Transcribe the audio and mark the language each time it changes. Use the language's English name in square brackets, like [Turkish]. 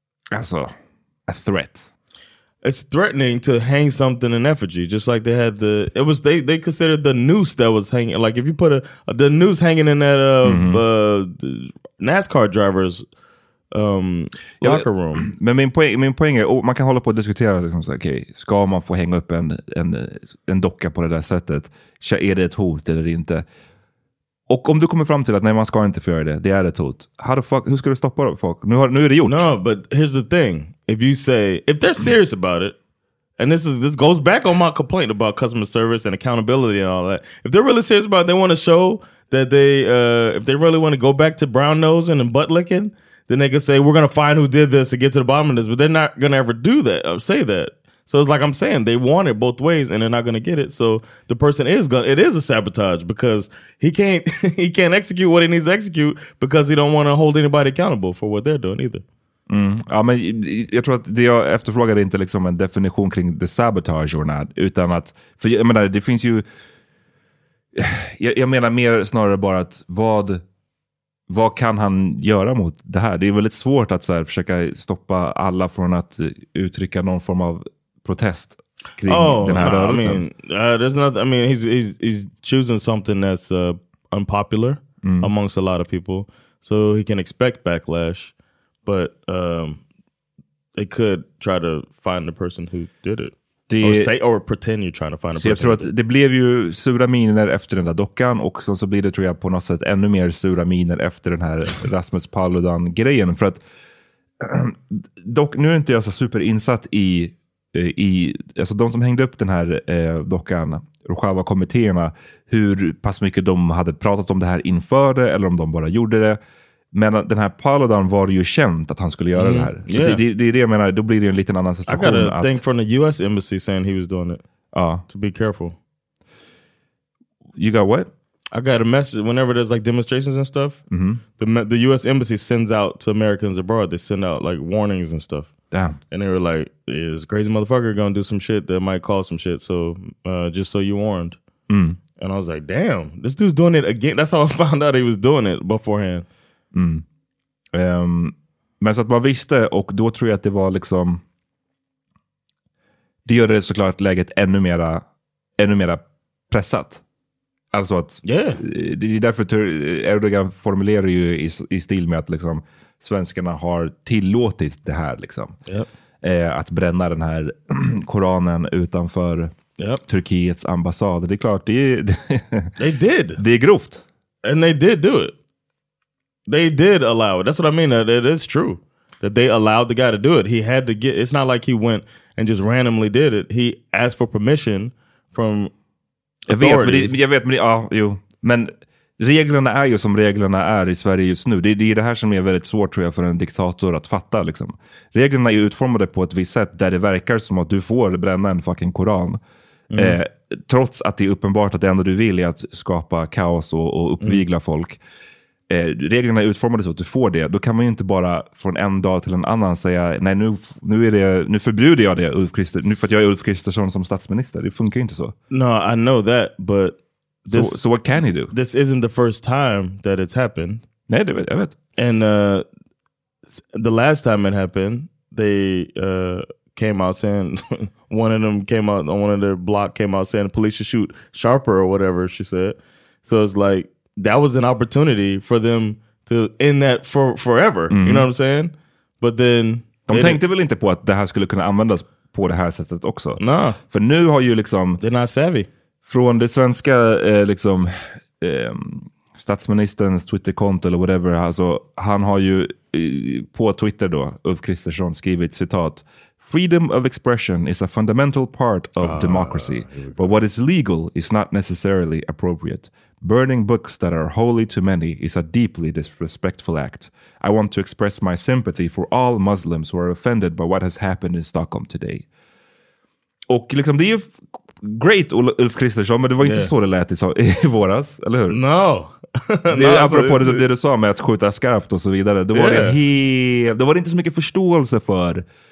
[English] Alltså, a threat. it's threatening to hang something in effigy, just like they had the, it was, they considered the noose that was hanging, like if you put the noose hanging in that the NASCAR driver's locker room. [Swedish] Men min poäng är, man kan hålla på och diskutera liksom, så, okay, ska man få hänga upp en docka på det där sättet, är det ett hot eller inte? Och om du kommer fram till att nej, man ska inte få göra det, det är ett hot. [English] How the fuck, [Swedish] hur ska du stoppa det, folk? Nu är det gjort. [English] No, but here's the thing. If you say, if they're serious about it, and this goes back on my complaint about customer service and accountability and all that. If they're really serious about it, they want to show that they, if they really want to go back to brown nosing and butt licking, then they could say, we're going to find who did this and get to the bottom of this. But they're not going to ever do that or say that. So it's like I'm saying, they want it both ways and they're not going to get it. So the person is going, it is a sabotage because he can't execute what he needs to execute because he don't want to hold anybody accountable for what they're doing either. Mm. [Swedish] Ja, men jag tror att det jag efterfrågade inte liksom en definition kring [English] the sabotage or not, [Swedish] utan att, för jag menar, det finns ju, jag menar mer snarare bara att vad kan han göra mot det här? Det är väldigt svårt att så här, försöka stoppa alla från att uttrycka någon form av protest kring den här rörelsen. [English] I mean, there's not, I mean, he's choosing something that's unpopular amongst a lot of people, so he can expect backlash. But they could try to find the person who did it. Det, or pretend you're trying to find a person. [Swedish] Jag tror att det blev ju sura miner efter den där dockan. Och så blir det, tror jag, på något sätt ännu mer sura miner efter den här Rasmus Paludan-grejen. För att dock, nu är inte jag så superinsatt i alltså de som hängde upp den här dockan, Rojava-kommittéerna, hur pass mycket de hade pratat om det här inför det, eller om de bara gjorde det. Men den här Paludan var ju känt att han skulle göra det här. Så det är det jag menar. Då blir det en liten annan situation. [English] I got a thing from the US embassy saying he was doing it. To be careful. You got what? I got a message. Whenever there's like demonstrations and stuff, the US embassy sends out to Americans abroad. They send out like warnings and stuff. Damn. And they were like, is crazy motherfucker gonna do some shit that might cause some shit? So just so you warned. Mm. And I was like, damn, this dude's doing it again. That's how I found out he was doing it beforehand. [Swedish] Men så att man visste, och då tror jag att det var liksom, det gör det såklart läget ännu mera pressat, alltså att det är därför Erdogan formulerar ju i stil med att liksom svenskarna har tillåtit det här liksom, att bränna den här Koranen utanför Turkiets ambassad. Det är klart, [English] they did. [Swedish] Det är grovt, [English] and they did do it. They did allow it. That's what I mean. It is true that they allowed the guy to do it. He had to get, it's not like he went and just randomly did it. He asked for permission from authorities. [Swedish] Jag vet, men men reglerna är ju som reglerna är i Sverige just nu. Det är det här som är väldigt svårt, tror jag, för en diktator att fatta. Liksom. Reglerna är utformade på ett visst sätt där det verkar som att du får bränna en fucking koran. Mm. Trots att det är uppenbart att det enda du vill är att skapa kaos och uppvigla folk. Reglerna är utformade så att du får det. Då kan man ju inte bara från en dag till en annan säga, nej, nu är det, nu förbjuder jag det, Ulf Christer, nu, för att jag är Ulf Kristersson som statsminister. Det funkar ju inte så. [English] No, I know that, but this, so what can he do? This isn't the first time that it's happened. [Swedish] Nej, det vet jag. [English] And the last time it happened, they came out saying, one of them came out, one of their block came out saying, police should shoot sharper or whatever she said. So it's like, that was an opportunity for them to end that forever. Mm-hmm. You know what I'm saying? But then [Swedish] de tänkte väl inte på att det här skulle kunna användas på det här sättet också. [English] Nah. [Swedish] För nu har ju liksom, [English] they're not savvy. [Swedish] Från det svenska liksom statsministerns Twitterkonto eller whatever, alltså, han har ju på Twitter då, Ulf Kristersson, skrivit citat: [English] freedom of expression is a fundamental part of democracy, but what is legal is not necessarily appropriate. Burning books that are holy to many is a deeply disrespectful act. I want to express my sympathy for all Muslims who are offended by what has happened in Stockholm today. [Swedish] Och liksom, det är ju great, Ulf Kristersson, men det var inte så det lät i våras, eller hur? [English] No. [Swedish] Det är no, apropå alltså, det du sa med att skjuta skarpt och så vidare. Det var det var inte så mycket förståelse för